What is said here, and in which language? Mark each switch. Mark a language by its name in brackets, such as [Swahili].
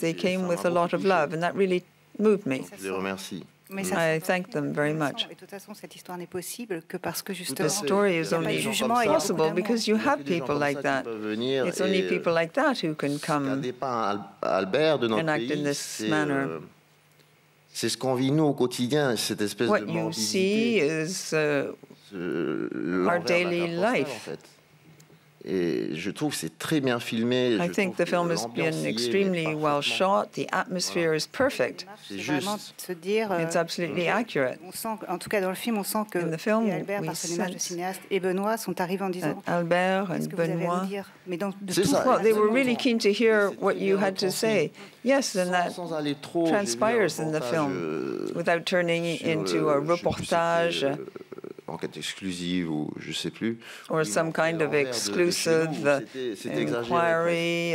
[English] They came with a lot of love, and that really moved me. I thank them very much. The story is only possible because you have people like that. It's only people like that who can come and act in this manner. [French] C'est ce qu'on vit nous au quotidien, cette espèce de [English] morbidité. What you see is our daily life. [French] Et je trouve que c'est très bien filmé. [English] I think the film has been extremely well shot. The atmosphere is perfect. [French] C'est juste. [English] It's absolutely accurate. [French] On sent, en tout cas dans le film, on sent que Albert, par son image de cinéaste, et Benoît sont arrivés en disant. [English] Albert and Benoît. [French] Mais donc, de tout [English] point, they were really keen to hear what you had to say. Yes, and that transpires in the film, without turning into a reportage. [French] Enquête exclusive ou je sais plus. [English] Or some kind of exclusive inquiry.